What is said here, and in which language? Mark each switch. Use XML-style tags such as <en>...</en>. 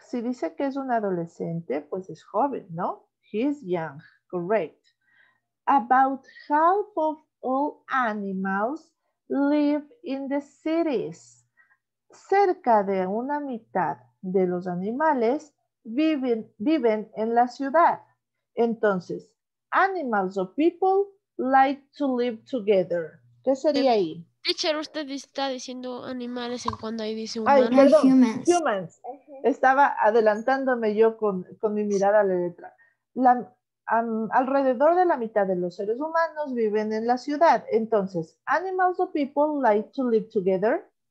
<es>Si dice que es un adolescente, pues es joven, ¿no?</es> <en>He is young. Correct. About half of all animals live in the cities.</en> <es>Cerca de una mitad de los animales viven en la ciudad. Entonces,</es> <en>animals or people like to live together.</en> <es>¿Qué sería ahí? Teacher, usted está diciendo animales en cuando ahí dice humanos. Ay, perdón, humans. Estaba adelantándome yo con mi mirada a la letra. Alrededor de la mitad de los seres humanos viven en la ciudad. Entonces,</es> <en>animals or people like to live together.</en>